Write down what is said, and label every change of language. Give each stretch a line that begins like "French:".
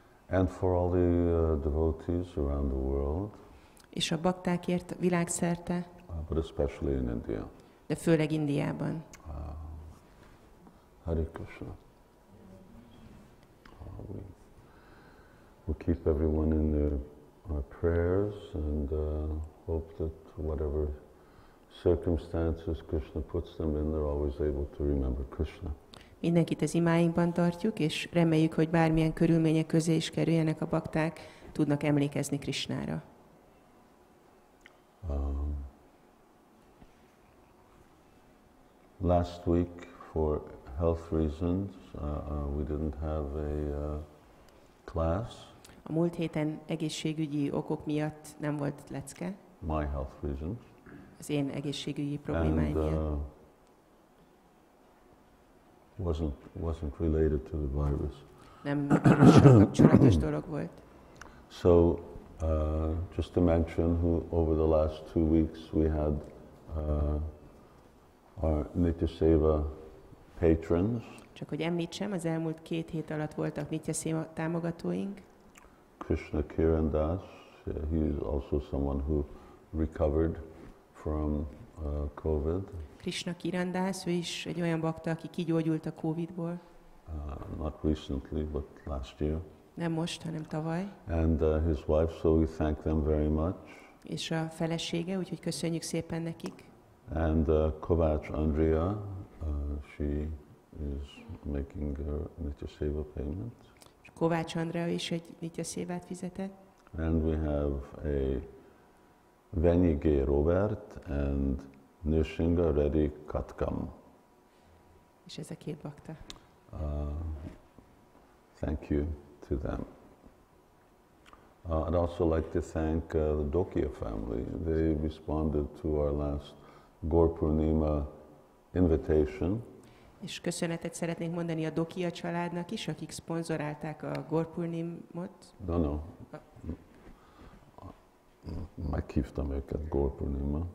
English: And for all the devotees around the world.
Hungarian: És a baktákért világszerte.
English: But especially in India.
Hungarian: De főleg Indiában.
English: Hare Krishna. We keep everyone in our prayers and hope that whatever circumstances Krishna puts them in, they're always able to remember Krishna.
Hungarian: Mindenkit az imáinkban tartjuk, és reméljük, hogy bármilyen körülmények közé is kerüljenek a bakták, tudnak emlékezni Krishnára.
English: Last week, for health reasons, we didn't have a class.
Hungarian: A múlt héten egészségügyi okok miatt nem volt lecke.
English: My health reasons.
Hungarian: Az én egészségügyi problémáim miatt.
English: Wasn't related to the virus.
Hungarian: Nem kapcsolatos dolog volt.
English: So, just to mention, who over the last 2 weeks we had our Nityaseva patrons.
Hungarian: Csak hogy említsem, az elmúlt 2 hét alatt voltak Nityaseva támogatóink.
English: Krishna Kiran Das, he is also someone who recovered from COVID.
Hungarian: Krishna Kiran Das, ő is egy olyan bakta, aki kigyógyult a COVID-ból.
English: Not recently, but last year.
Hungarian: Nem most, hanem tavaly.
English: And his wife, so we thank them very much.
Hungarian: És a felesége, úgyhogy köszönjük szépen nekik.
English: And Kovács Andrea, she is making her Nityaseva payment.
Hungarian: És Kovács Andrea is egy Nityasevát fizetett.
English: And we have a Venyige Robert and Nishinga Reddy Katkam.
Hungarian: És ez a két bakta.
English: Thank you to them. I'd also like to thank the Dokia family. They responded to our last Gorpurnima invitation.
Hungarian: És köszönetet szeretnénk mondani a Dokia családnak is, akik szponzorálták a Gorpurnimot.
English: No.
Hungarian: Meghívtam őket Gorpurnima.